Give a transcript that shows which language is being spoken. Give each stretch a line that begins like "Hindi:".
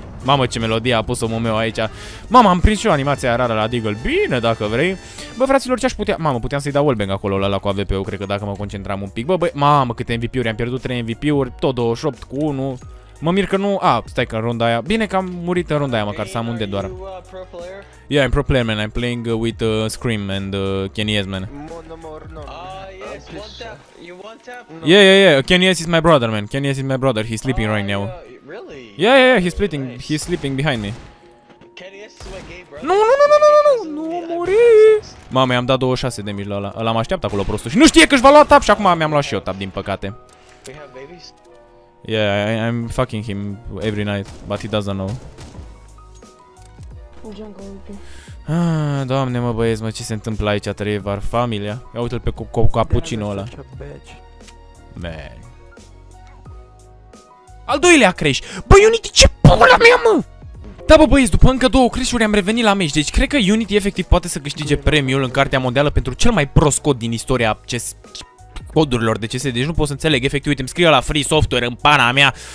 Romanian: Mamă, ce melodie a pus omul meu aici. Mamă, am prins și eu animația rară la Deagle. Bine, dacă vrei. Bă, fraților, ce aș putea? Mamă, puteam să-i dau wallbang acolo ăla cu AVP-ul, cred că dacă mă concentram un pic. Bă, băi, mamă, câte MVP-uri am pierdut, 3 MVP-uri, tot 28 cu 1. Mă mir că nu. A, stai că în runda aia. Bine că am murit în runda aia, măcar să am unde doar.
English: Yeah, I'm pro player, man. I'm playing with Scream and Kenies, man. Yes, one tap. You one tap? No. Yeah. Kenies is my brother, man. Kenies is my brother. He's sleeping right now. Really? Yeah, he's splitting. Nice. He's sleeping behind me. Kenies is my gay brother.
Romanian: Nu muri. Mamă, i-am dat 26 de mil ăla. L-am așteptat acolo prostul și nu știe că își va lua tap și acum mi-am luat și eu tap din păcate.
English: We have babies? Yeah, I'm fucking him every night, but he doesn't know.
Romanian: Ah, doamne, mă, băieți, mă, ce se întâmplă aici, Trevor, familia? Ia uite-l pe capucinul ăla. Man. Al doilea crash. Bă, Unity, ce pula mea, mă? Da, bă, băieți, după încă două crash-uri am revenit la meci. Deci, cred că Unity, efectiv, poate să câștige premiul în cartea mondială pentru cel mai prost cod din istoria codurilor de CS, deci nu pot să înțeleg, efectiv, uite, îmi scrie la Free Software în pana mea.